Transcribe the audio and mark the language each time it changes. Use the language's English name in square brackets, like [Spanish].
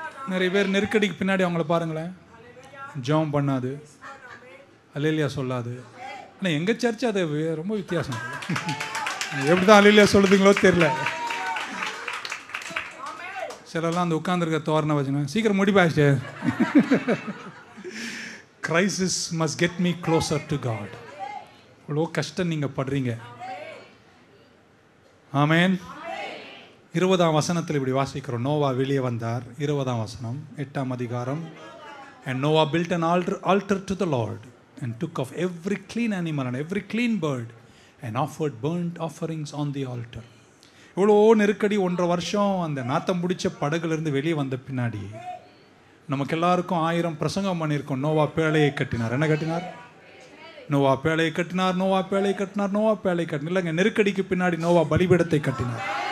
[Tamil] நிறைய பேர் நெருக்கடிக்கு பின்னாடி அவங்கள பாருங்களேன், ஜெபம் பண்ணாது, அலேலியா சொல்லாது. ஆனால் எங்கள் சர்ச் அது ரொம்ப வித்தியாசம். எப்படி தான் அலேலியா சொல்லுதுங்களோ தெரியல. சிலரெல்லாம் அந்த உட்காந்துருக்க தோரண வச்சுக்கோங்க, சீக்கிரம் முடிப்பாச்சு. [English] Crisis must get me closer to God. [Tamil] இவ்வளோ கஷ்டம் நீங்கள் படுறீங்க. ஆமேன். 20 வசனத்தில் இப்படி வாசிக்கிறோம், நோவா வெளியே வந்தார். 20 வசனம், 8 அதிகாரம். [English] And Noah built an altar to the Lord and took off every clean animal and every clean bird and offered burnt offerings on the altar. [Tamil] இவ்வளோ நெருக்கடி, 1.5 வருஷம் அந்த நாத்தம் பிடிச்ச படகுலேருந்து வெளியே வந்த பின்னாடி நமக்கு எல்லாருக்கும் 1000 பிரசங்கம் பண்ணியிருக்கோம். நோவா பேழையை கட்டினார். என்ன கட்டினார்? நோவா பேழையை கட்டினார். நோவா பேழையை கட்டினார். நோவா பேழையை கட்டினார். இல்லைங்க, நெருக்கடிக்கு பின்னாடி நோவா பலிபீடத்தை கட்டினார்.